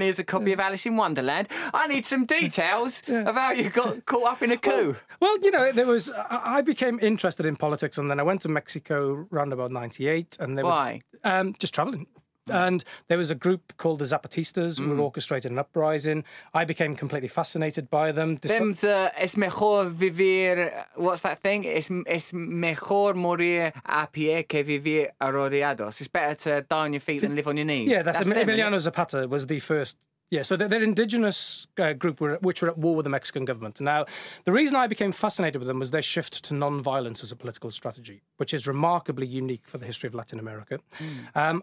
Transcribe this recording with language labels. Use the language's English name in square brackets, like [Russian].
[English] Here's a copy of Alice in Wonderland. I need some details of how you got caught up in a coup. Well, you know, I became interested in politics, and then I went to Mexico around about 98. And there Why? Was just traveling. And there was a group called the Zapatistas who were orchestrating an uprising. I became completely fascinated by them. [Spanish] Es mejor vivir, [English] what's that thing? [Spanish] Es mejor morir a pie que vivir arrodillados. [English] It's better to die on your feet than live on your knees. Yeah, that's Emiliano Zapata was the first. Yeah, so their indigenous group, which were at war with the Mexican government. Now, the reason I became fascinated with them was their shift to non-violence as a political strategy, which is remarkably unique for the history of Latin America. Mm.